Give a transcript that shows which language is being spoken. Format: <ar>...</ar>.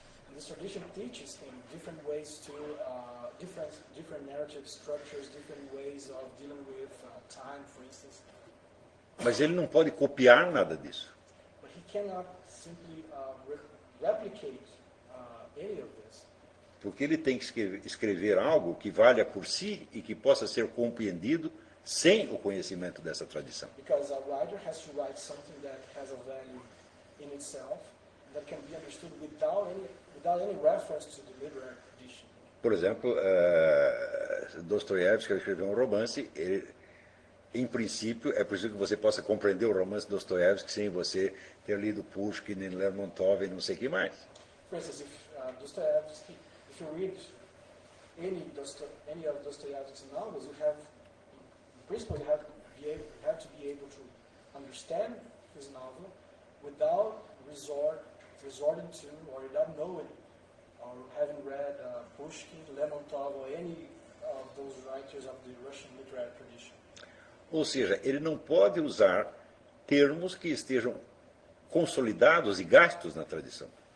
<en>And this tradition teaches him different ways to different narrative structures, different ways of dealing with time, for instance.</en> <pt>Mas ele não pode copiar nada disso.</pt> <en>But he cannot simply replicate any of this.</en> <pt>Porque ele tem que escrever algo que valha por si e que possa ser compreendido sem o conhecimento dessa tradição.</pt> <en>Because a writer has to write something that has a value in itself that can be understood without any reference to the literary tradition.</en> <pt>Por exemplo, Dostoiévski escreveu um romance. Ele, em princípio, é preciso que você possa compreender o romance de Dostoiévski sem você ter lido Pushkin, nem Lermontov, e não sei o que mais. Por exemplo, se</pt> <en>Dostoiévski, if you read any of Dostoiévski's novels, you have, in principle, you have to be able to understand his novel without resorting to or without knowing or having read Pushkin, Lermontov, or any of those writers of the Russian literary tradition.</en> <pt>Ou seja, ele não pode usar termos que estejam consolidados e gastos na tradição.</pt>